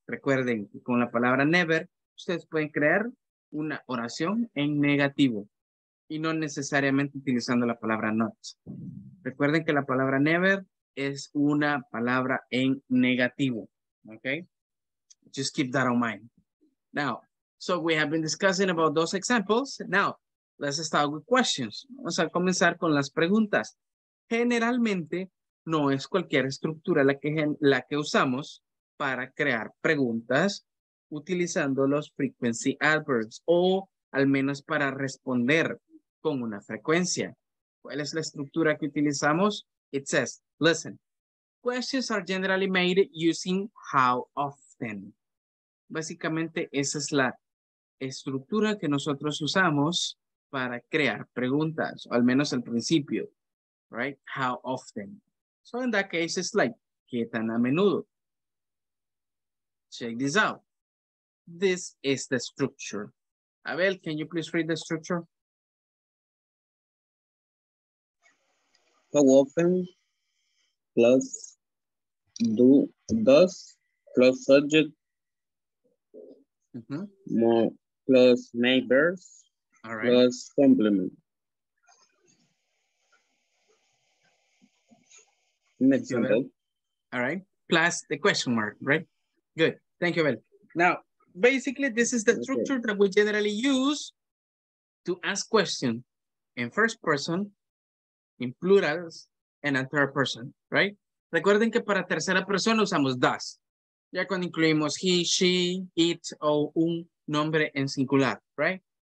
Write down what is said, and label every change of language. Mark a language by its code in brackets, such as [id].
[es] Recuerden, con la palabra never, ustedes pueden crear una oración en negativo. Y no necesariamente utilizando la palabra not. Recuerden que la palabra never es una palabra en negativo. [en] Okay? Just keep that on mind. Now, so we have been discussing about those examples. Now, let's start with questions. [es] Vamos a comenzar con las preguntas. Generalmente, no es cualquier estructura la que usamos para crear preguntas utilizando los frequency adverbs o al menos para responder con una frecuencia. ¿Cuál es la estructura que utilizamos? [en] It says, listen, questions are generally made using how often. [es] Básicamente, esa es la estructura que nosotros usamos para crear preguntas, o al menos al principio, right? [en] How often. So in that case, it's like, [es] ¿qué tan a menudo? [en] Check this out. This is the structure. Abel, can you please read the structure? How often plus does plus subject more plus main verb plus complement. Next example. All right. Plus the question mark, right? Good. Thank you, Abel. Now, basically, this is the structure that we generally use to ask questions in first person, in plurals, and in third person, right? [es] Recuerden que para tercera persona usamos does. Ya cuando incluimos he, she, it, o un nombre en singular, right?